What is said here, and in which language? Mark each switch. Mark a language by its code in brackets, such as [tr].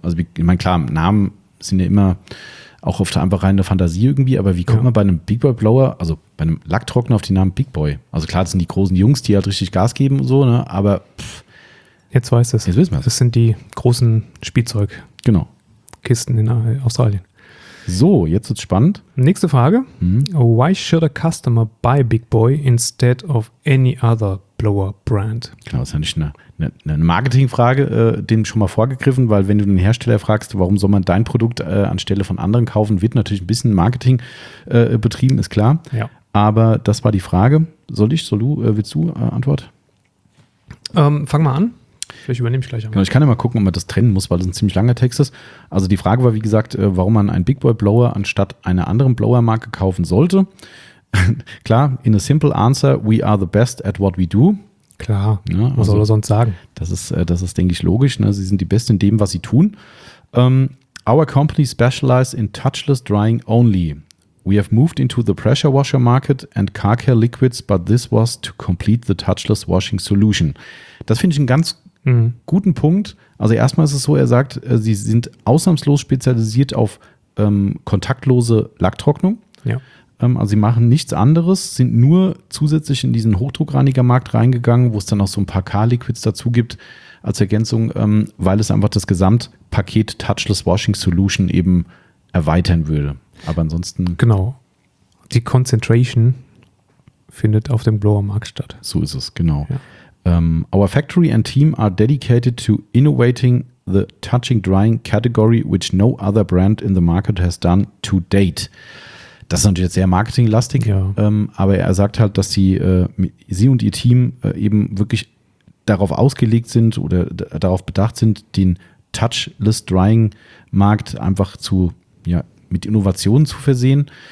[de] Also ich meine, klar, Namen sind ja immer auch oft einfach reine Fantasie irgendwie, aber wie kommt man bei einem Big Boy Blower, also bei einem Lacktrockner auf den Namen Big Boy? Also klar, das sind die großen Jungs, die halt richtig Gas geben und so, ne? Aber jetzt weiß es. Jetzt wissen wir es. Das sind die großen Spielzeug Kisten in Australien. So, jetzt wird's spannend. Nächste Frage. Mhm. [en] Why should a customer buy Big Boy instead of any other blower brand? [de] Genau, ist ja nicht eine Marketingfrage, den schon mal vorgegriffen, weil wenn du den Hersteller fragst, warum soll man dein Produkt anstelle von anderen kaufen, wird natürlich ein bisschen Marketing betrieben, ist klar. Ja. Aber das war die Frage. Willst du Antwort? Fang mal an. Vielleicht übernehme ich gleich einmal. Genau, ich kann ja mal gucken, ob man das trennen muss, weil das ein ziemlich langer Text ist. Also die Frage war, wie gesagt, warum man einen Big Boy Blower anstatt einer anderen Blower-Marke kaufen sollte. [en] Klar, in a simple answer, we are the best at what we do. [de] Klar, ja, also, was soll er sonst sagen? Das ist, denke ich, logisch. Ne? Sie sind die Besten in dem, was sie tun. [en] Our company specializes in touchless drying only. We have moved into the pressure washer market and car care liquids, but this was to complete the touchless washing solution. [de] Das finde ich einen ganz guten Punkt. Also erstmal ist es so, er sagt, sie sind ausnahmslos spezialisiert auf kontaktlose Lacktrocknung. Ja. Also sie machen nichts anderes, sind nur zusätzlich in diesen Hochdruckreinigermarkt reingegangen, wo es dann auch so ein paar Car-Liquids dazu gibt als Ergänzung, weil es einfach das Gesamtpaket Touchless Washing Solution eben erweitern würde. Aber ansonsten... Genau. Die Concentration findet auf dem Blower-Markt statt. So ist es, genau. Ja. [en] Our factory and team are dedicated to innovating the touching drying category, which no other brand in the market has done to date. [de] Das ist natürlich jetzt sehr marketinglastig, aber er sagt halt, dass sie und ihr Team eben wirklich darauf ausgelegt sind oder darauf bedacht sind, den touchless drying Markt einfach zu mit Innovationen zu versehen.